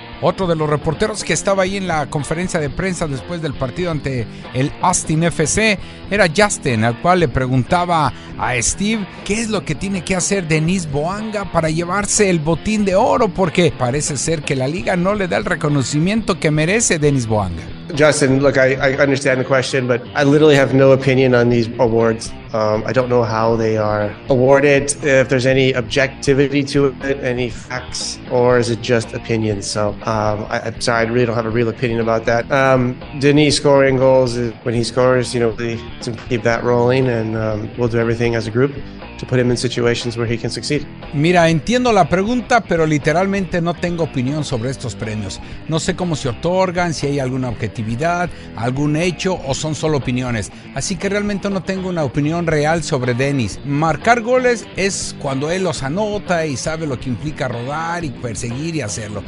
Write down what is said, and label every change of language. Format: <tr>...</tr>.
<es>Otro de los reporteros que estaba ahí en la conferencia de prensa después del partido ante el Austin FC era Justin, al cual le preguntaba a Steve qué es lo que tiene que hacer Denis Boanga para llevarse el botín de oro, porque parece ser que la liga no le da el reconocimiento que merece Denis Boanga.</es> <en>Justin, look, I understand the question, but I literally have no opinion on these awards. I don't know how they are awarded, if there's any objectivity to it, any facts, or is it just opinion? So I'm sorry, I really don't have a real opinion about that. Denis scoring goals, when he scores, you know, we can keep that rolling, and we'll do everything as a group to put him in situations where he can succeed.</en> <es>Mira, entiendo la pregunta, pero literalmente no tengo opinión sobre estos premios. No sé cómo se otorgan, si hay alguna objetividad, algún hecho, o son solo opiniones. Así que realmente no tengo una opinión real sobre Denis. Marcar goles es cuando él los anota y sabe lo que implica rodar y perseguir y hacerlo.</es>